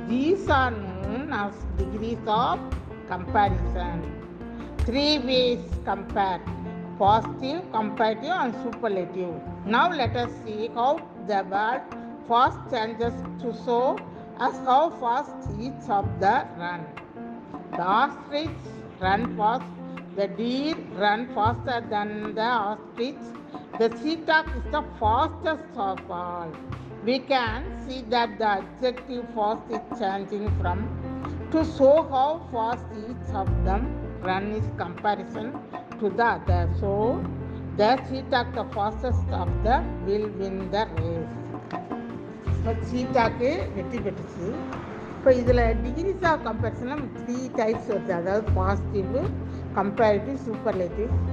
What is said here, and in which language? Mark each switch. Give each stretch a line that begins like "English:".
English: These are known as degrees of comparison. Three ways compare, positive, comparative and superlative. Now let us see how the world fast changes to show as how fast each of the run. The ostrich run fast, the deer run faster than the ostrich, the cheetah is the fastest of all. We can see that the adjective fast is changing from to show how fast each of them run is comparison to the other. So the cheetah, the fastest of the, will win the race.
Tamil: சீட்டாக்கு வெற்றி பெற்றுச்சு. இப்போ இதில்
English: degrees of comparison three types
Tamil: வருது, அதாவது positive, comparative, superlative.